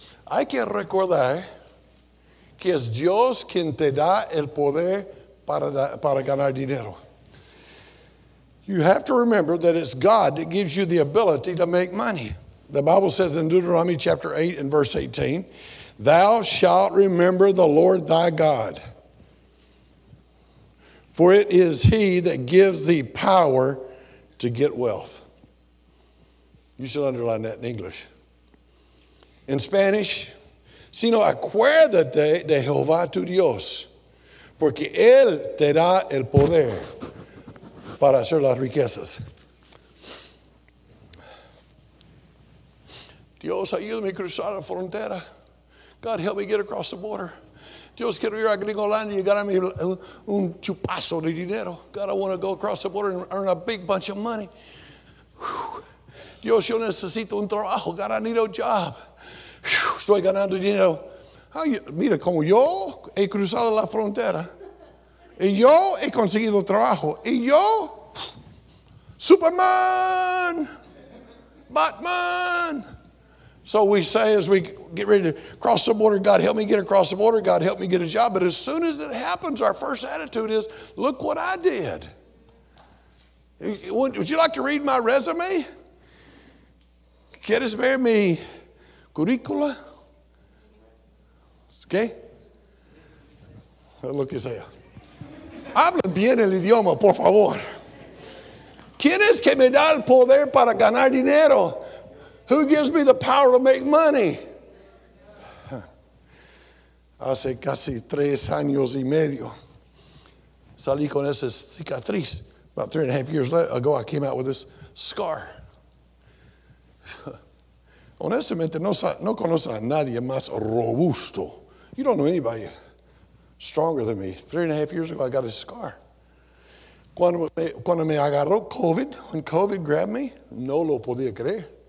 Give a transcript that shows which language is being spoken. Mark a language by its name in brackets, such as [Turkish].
[Spanish] Hay que recordar que es Dios quien te da el poder para ganar dinero. [English] You have to remember that it's God that gives you the ability to make money. The Bible says in Deuteronomy chapter 8 and verse 18, thou shalt remember the Lord thy God, for it is he that gives thee power to get wealth. You should underline that in English. In Spanish, [Spanish] sino acuérdate de Jehová tu Dios, porque él te da el poder para hacer las riquezas. Dios, ayúdame a cruzar la frontera. [English] God, help me get across the border. [Spanish] Dios, quiero ir a Gringolandia y ganarme un chupazo de dinero. [English] God, I want to go across the border and earn a big bunch of money. [Spanish] Dios, yo necesito un trabajo. [English] God, I need a job. [Spanish] Estoy ganando dinero. Mira, como yo he cruzado la frontera. Y yo he conseguido trabajo. Y yo, Superman, Batman. [English] So we say as we get ready to cross the border, God, help me get across the border. God, help me get a job. But as soon as it happens, our first attitude is, look what I did. Would you like to read my resume? [Spanish] ¿Quieres ver mi currícula? ¿Qué? Lo que sea. Hablen bien el idioma, por favor. ¿Quién es que me da el poder para ganar dinero? Who gives me the power to make money? Hace casi 3 años y medio, salí con esa cicatriz. [English] About 3.5 years ago, I came out with this scar. [Spanish] Honestamente, no conocen a nadie más robusto. [English] You don't know anybody stronger than me. 3.5 years ago, I got a scar. [Spanish] Cuando me agarró COVID, [English] when COVID grabbed me, [Spanish] no lo podía creer.